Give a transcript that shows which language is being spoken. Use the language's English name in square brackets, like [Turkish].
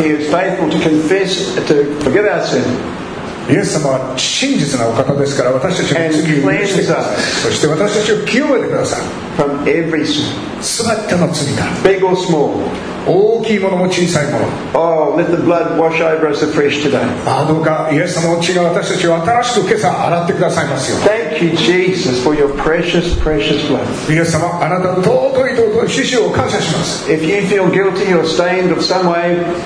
[English] He is faithful to confess to forgive our sin. [Japanese] イエス様は真実なお方ですから、私たちの罪を許してください。そして私たちを清めてください。全ての罪が、 [English] big or small, [Japanese] 大きいものも小さいもの、 [English] oh, let the blood wash over us afresh today. [Japanese] どうかイエス様の血が私たちを新しく今朝洗ってくださいますよ。 [English] Thank you, Jesus, for your precious, precious blood. [Japanese] イエス様、あなたの尊い尊い血潮を感謝します。 [English] If you feel guilty or stained of some way